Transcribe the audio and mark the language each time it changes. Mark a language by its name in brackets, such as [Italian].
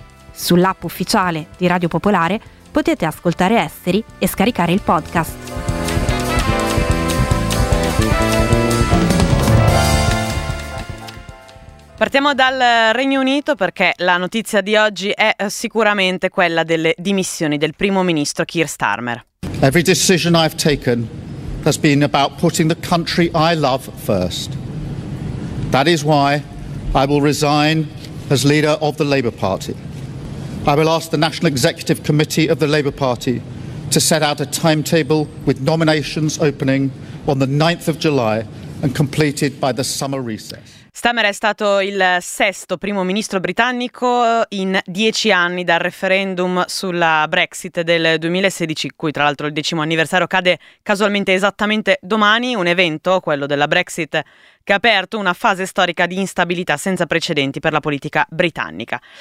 [Italian] Sull'app ufficiale di Radio Popolare potete ascoltare Esteri e scaricare il podcast. Partiamo dal Regno Unito perché la notizia di oggi è sicuramente quella delle dimissioni del primo ministro Keir Starmer. [English] Every decision I've taken has been about putting the country I love first. That is why I will resign as leader of the Labour Party. I will ask the National Executive Committee of the Labour Party to set out a timetable with nominations opening on the 9th of July and completed by the summer recess. [Italian] Starmer è stato il sesto primo ministro britannico in 10 anni dal referendum sulla Brexit del 2016, cui tra l'altro il 10° anniversario cade casualmente esattamente domani, un evento, quello della Brexit, che ha aperto una fase storica di instabilità senza precedenti per la politica britannica.